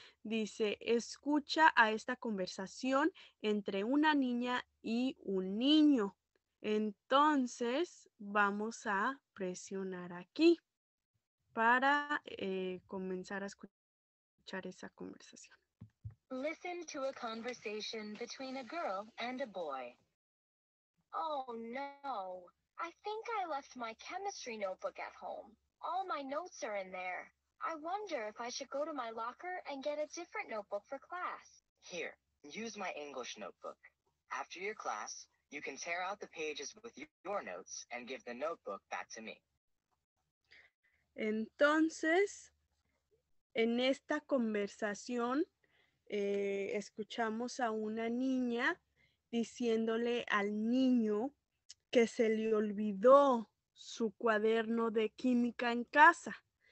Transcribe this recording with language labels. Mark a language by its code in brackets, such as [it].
[es] Dice, escucha a esta conversación entre una niña y un niño. Entonces, vamos a presionar aquí para comenzar a escuchar esa conversación. [en] Listen to a conversation between a girl and a boy. Oh no, I think I left my chemistry notebook at home. All my notes are in there. I wonder if I should go to my locker and get a different notebook for class. Here, use my English notebook. After your class, you can tear out the pages with your notes and give the notebook back to me. [es] Entonces, en esta conversación, escuchamos a una niña diciéndole al niño que se le olvidó su cuaderno de química en casa.